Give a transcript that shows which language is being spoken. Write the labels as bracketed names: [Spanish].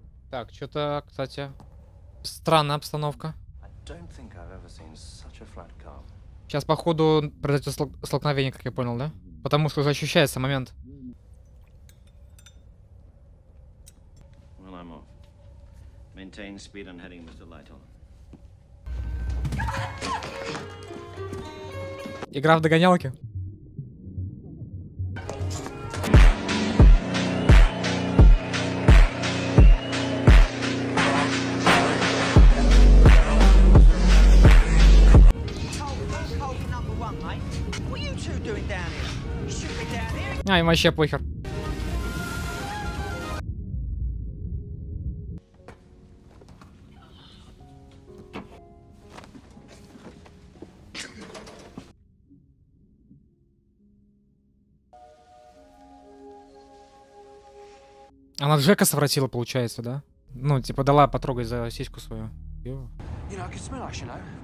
[Russian] Так, что-то, кстати, странная обстановка. [English] I don't think I've ever seen such a flat car. [Russian] Сейчас, походу, произойдет столкновение, как я понял, да? Потому что уже ощущается момент. [English] Well, I'm off. Maintain speed on heading, Mr. Lytle. [Russian] Игра в догонялки. А, им вообще похер. Она Джека совратила, получается, да? Ну, типа, дала потрогать за сиську свою. [English] You know, I can smell us, you know.